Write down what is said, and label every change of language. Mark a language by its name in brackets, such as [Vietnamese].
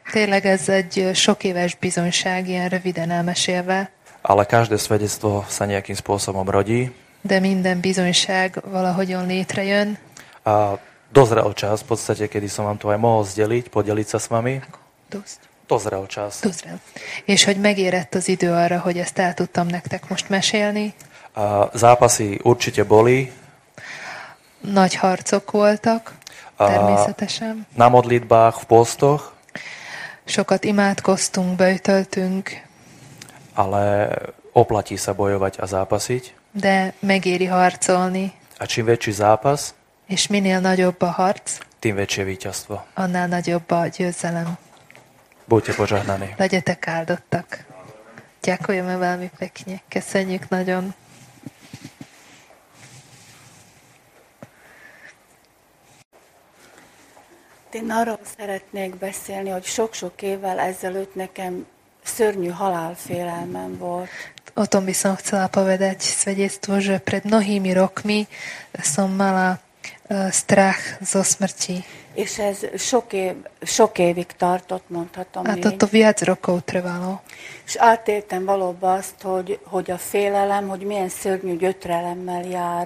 [Hungarian] Tényleg ez egy sok éves bizonyság, ilyen röviden elmesélve. [Slovak] Ale každé svedectvo sa nejakým spôsobom rodí. [Hungarian] De minden bizonyság valahogyan létrejön. [Slovak] A dozrel čas v podstate, kedy som vám to aj mohol zdeliť, podeliť sa s vami. Dozrel čas. Dozrel. [Hungarian] És hogy megérett az idő arra, hogy ezt el tudtam nektek most mesélni. [Slovak] A zápasy určite boli. [Hungarian] Nagy harcok voltak, természetesen. [Slovak] Na modlitbách, v postoch. [Hungarian] Sokat imádkoztunk, beütöltünk. [Slovak] Ale oplatí sa bojovať a zápasiť. [Hungarian] De megéri harcolni. [Slovak] A čím väčší zápas, [Hungarian] és minél nagyobb a harc, [Slovak] tým väčšie víťazstvo. [Hungarian] Annál nagyobb a győzelem. [Slovak] Buďte požehnaní. [Hungarian] Legyetek áldottak. [Slovak] Ďakujeme veľmi pekne. [Hungarian] Köszönjük nagyon. Én arról szeretnék beszélni, hogy sok-sok évvel ezelőtt nekem szörnyű halálfélelmem volt. [Slovak] O tom by som chcela povedať svedectvo, že pred mnohými rokmi som mala strach zo smrti. [Hungarian] És ez sok évig tartott, mondhatom én. [Slovak] A toto viac rokov trvalo. [Hungarian] És átéltem valóban azt, hogy a félelem, hogy milyen szörnyű gyötrelemmel jár.